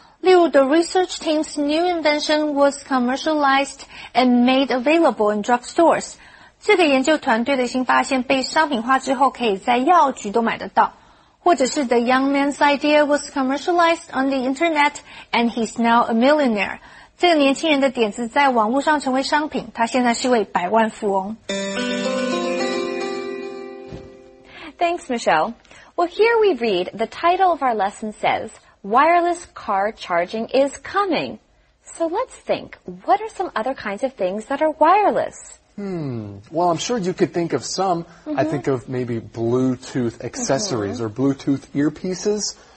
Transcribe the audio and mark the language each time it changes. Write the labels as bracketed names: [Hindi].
[Chinese] 例如 [English] The research team's new invention was commercialized and made available in drugstores. [Chinese] 这个研究团队的新发现被商品化之后可以在药局都买得到。或者是 [English] The young man's idea was commercialized on the internet and he's now a millionaire. [Chinese] 这个年轻人的点子在网络上成为商品，他现在是位百万富翁。 [English] Thanks, Michelle. Well, here we read, the title of our lesson says, Wireless Car Charging is Coming. So let's think, what are some other kinds of things that are wireless? Well, I'm sure you could think of some. Mm-hmm. I think of maybe Bluetooth accessories or Bluetooth earpieces.